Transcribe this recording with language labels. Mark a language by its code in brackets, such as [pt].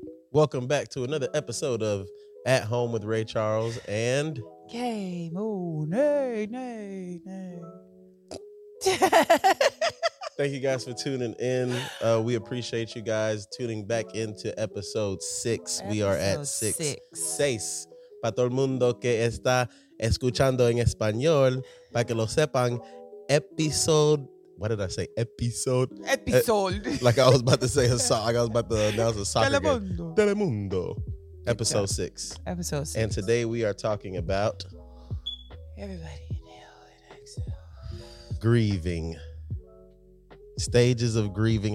[en] Welcome back to another episode of At Home with Ray Charles and Kay Monet. Nay. Thank you guys for tuning in. We appreciate you guys tuning back into episode 6. We are at six. [es] Para todo el mundo que está escuchando en español, para que lo sepan, episode. [en] Like I was about to say a song. I was about to announce a soccer Telemundo. Game. Telemundo. Episode 6. Episode 6. And today we are talking about... Everybody inhale and exhale. Grieving. Stages of grieving.